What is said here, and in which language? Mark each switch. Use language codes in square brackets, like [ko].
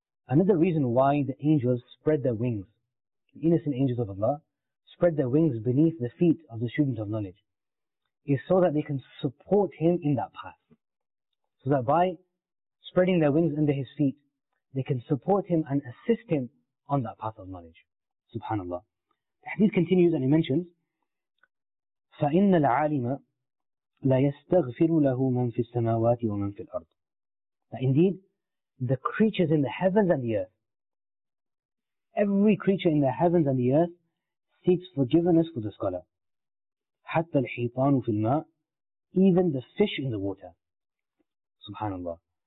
[en] Another reason why the angels spread their wings, the innocent angels of Allah, spread their wings beneath the feet of the student of knowledge, is so that they can support him in that path. So that by spreading their wings under his feet, they can support him and assist him on that path of knowledge. Subhanallah. The hadith continues and he mentions, [ar] فَإِنَّ الْعَالِمَ لَا يَسْتَغْفِرُ لَهُ مَنْ فِي السَّمَاوَاتِ وَمَنْ فِي الْأَرْضِ. [en] That indeed, the creatures in the heavens and the earth, every creature in the heavens and the earth seeks forgiveness for the scholar. [ar] حَتَّى الْحِيطَانُ فِي الْمَاءِ. [en] Even the fish in the water. Subhanallah.